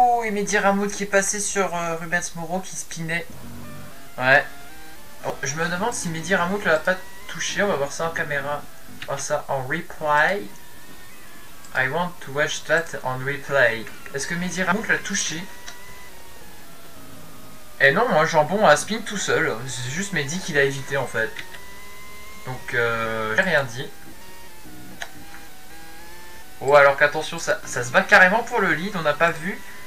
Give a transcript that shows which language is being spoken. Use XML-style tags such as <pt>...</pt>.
<fr>Mehdi Ramoud qui est passé sur Rubens Moreau qui spinait. Ouais. Oh, je me demande si Mehdi Ramoud l'a pas touché. On va voir ça en caméra. On va voir ça en replay.</fr> <en>I want to watch that on replay.</en> <fr>Est-ce que Mehdi Ramoud l'a touché? Et non, moi Jambon a spin tout seul. C'est juste Mehdi qui l'a évité en fait. Donc j'ai rien dit. Oh, alors qu'attention, ça se bat carrément pour le lead. On n'a pas vu.</fr>